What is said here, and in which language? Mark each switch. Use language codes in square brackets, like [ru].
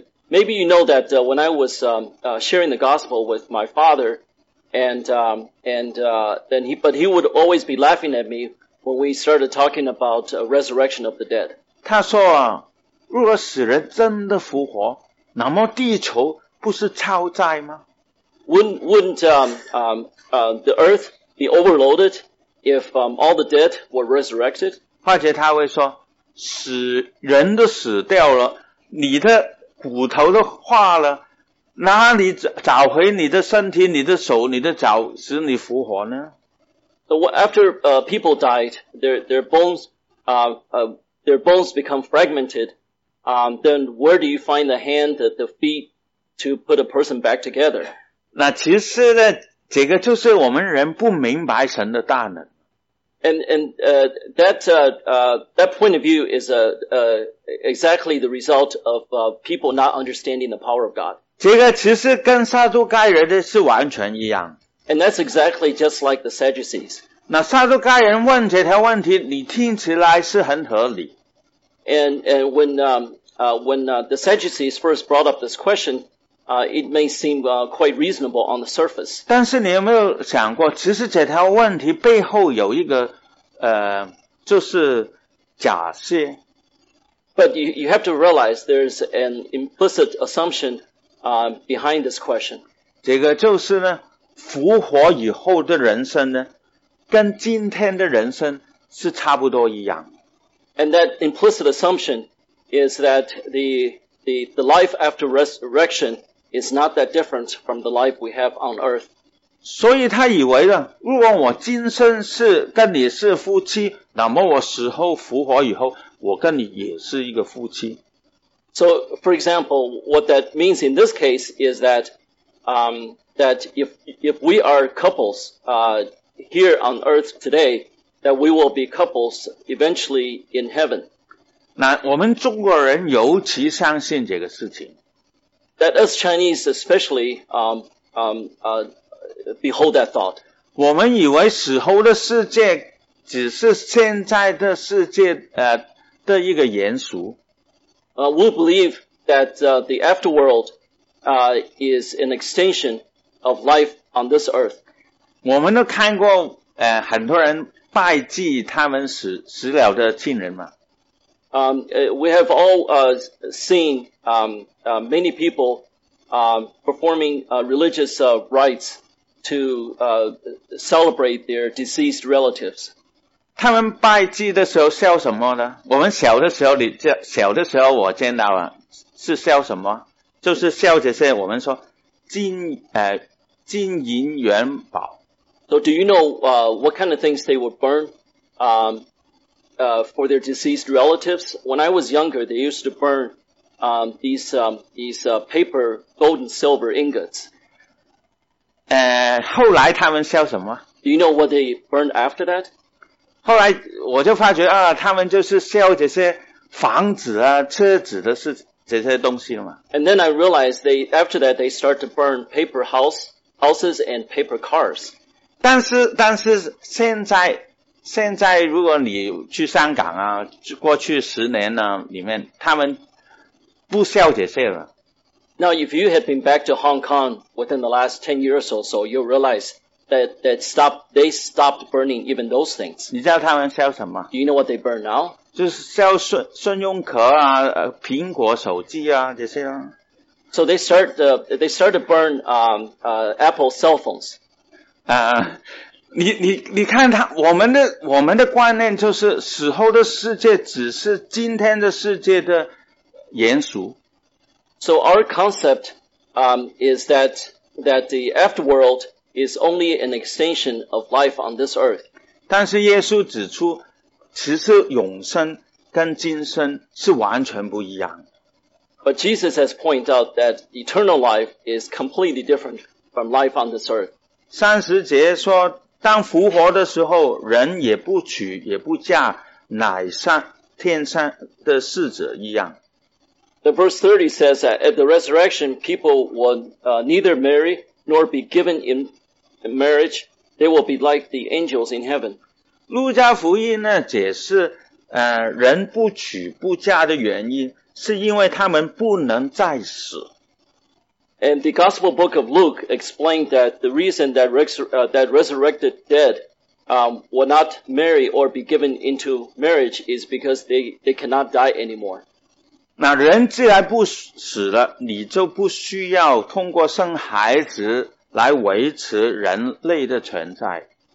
[en] Maybe you know that when I was sharing the gospel with my father, and then he would always be laughing at me when we started talking about resurrection of the dead. [zh] 他说啊。如果死人真的复活，那么地球不是超载吗 [en] ？Wouldn't the earth be overloaded if all the dead were resurrected？ [zh] 或者他会说，死人都死掉了，你的骨头都化了，哪里找回你的身体、你的手、你的脚使你复活呢 [en] ？So after people died, their bones become fragmented. Then where do you find the hand, the feet to put a person back together? [zh] 那其实呢，这个就是我们人不明白神的大能。 [en] And that point of view is exactly the result of people not understanding the power of God. [zh] 这个其实跟撒都该人的是完全一样。 [en] And that's exactly just like the Sadducees. [zh] 那撒都该人问这条问题，你听起来是很合理。 [en] And when the Sadducees first brought up this question, it may seem quite reasonable on the surface. [zh] 但是你有没有想过，其实这条问题背后有一个就是假设。 [en] But you have to realize there's an implicit assumption behind this question. [zh] 这个就是呢，复活以后的人生呢，跟今天的人生是差不多一样。 [en] And that implicit assumption is that the life after resurrection is not that different from the life we have on earth. [zh] 所以他以为呢，如果我今生是跟你是夫妻，那么我死后复活以后，我跟你也是一个夫妻。 [en] So, for example, what that means in this case is that, that if we are couples, here on earth today, that we will be couples eventually in heaven. [zh] 那我们中国人尤其相信这个事情。 [en] That us Chinese especially, behold that thought. [zh] 我们以为死后的世界只是现在的世界的一个延续。 [en] We believe that the afterworld is an extension of life on this earth. [zh] 我们都看过很多人拜祭他们死了的亲人嘛。 [en] We have all seen many people performing religious rites to celebrate their deceased relatives. [zh] 他们拜祭的时候笑什么呢？我们小的时候，你小的时候我见到了，是笑什么？就是笑这些。我们说金银元宝。 [en] So do you know what kind of things they would burn for their deceased relatives? When I was younger, they used to burn these paper gold and silver ingots. [zh] 后来他们笑什么 [en] ？Do you know what they burned after that? [zh] 后来我就发觉啊，他们就是烧这些房子啊、车子的是这些东西了嘛。 [en] And then I realized they after that they start to burn paper houses and paper cars. [zh] 但是现在如果你去香港啊，过去十年呢、啊、里面，他们不烧这些了。 [en] Now if you had been back to Hong Kong within the last 10 years or so, you'll realize. They stopped burning even those things. [zh] 你知道他们烧什么？ [en] Do you know what they burn now? [zh] 就是烧信用卡啊，苹果手机啊这些啊。 [en] So they start to burn Apple cell phones. [zh] 你看他我们的观念就是死后的世界只是今天的世界的延续。 [en] So our concept is that the afterworld. Is only an extension of life on this earth. [zh] 但是耶稣指出，其实永生跟今生是完全不一样。 [en] But Jesus has pointed out that eternal life is completely different from life on this earth. [zh] 三十节说，当复活的时候，人也不娶也不嫁，乃像天上的使者一样。 [en] The verse 30 says that at the resurrection, people will neither marry. Nor be given in marriage, they will be like the angels in heaven. [zh] 路加福音呢解释，人不娶不嫁的原因是因为他们不能再死。 [en] And the Gospel Book of Luke explained that the reason that that resurrected dead will not marry or be given into marriage is because they cannot die anymore. [zh] 那人既然不死了，你就不需要通过生孩子来维持人类的存在。